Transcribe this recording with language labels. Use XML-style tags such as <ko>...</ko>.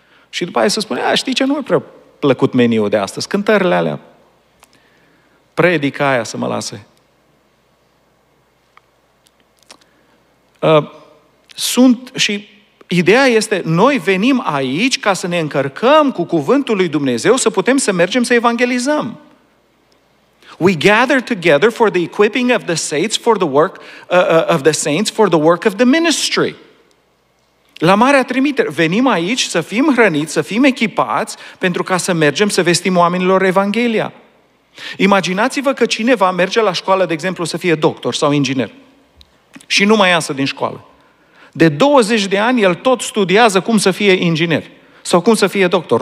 <ro>Și după aceea se spune, a, știi ce, nu mi-a prea plăcut meniul de astăzi, cântările alea, predica aia să mă lase. Sunt și ideea este, noi venim aici ca să ne încărcăm cu cuvântul lui Dumnezeu să putem să mergem să evangelizăm.</ro> <en>We gather together for the equipping of the saints for the work of the saints for the work of the ministry.</en> <ro>La marea trimitere, venim aici să fim hrăniți, să fim echipați pentru ca să mergem să vestim oamenilor Evanghelia. Imaginați-vă că cineva merge la școală, de exemplu, să fie doctor sau inginer și nu mai iasă din școală. De 20 de ani el tot studiază cum să fie inginer sau cum să fie doctor.</ro>